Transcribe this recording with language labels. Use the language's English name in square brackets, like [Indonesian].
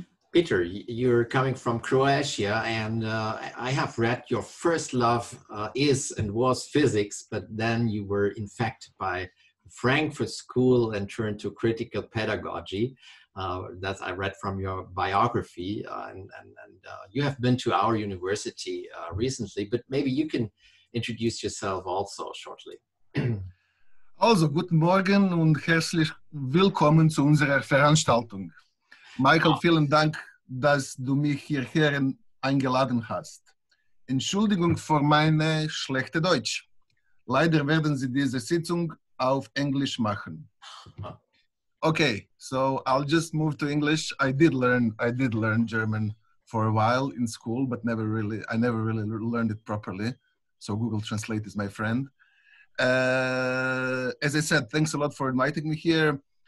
[English] Peter, you're coming from Croatia, and I have read your first love is and was physics, but then you were in fact by Frankfurt School and turned to critical pedagogy. That I read from your biography, you have been to our university recently, but maybe you can introduce yourself also shortly. [German] Also, guten Morgen und herzlich willkommen zu unserer Veranstaltung. Michael, vielen Dank, dass du mich hierher eingeladen hast. Entschuldigung für meine schlechte Deutsch. Leider werden Sie diese Sitzung auf Englisch machen. [English] Okay, so I'll just move to English. I did learn German for a while in school, but I never really learned it properly. So Google Translate is my friend. As I said, thanks a lot for inviting me here.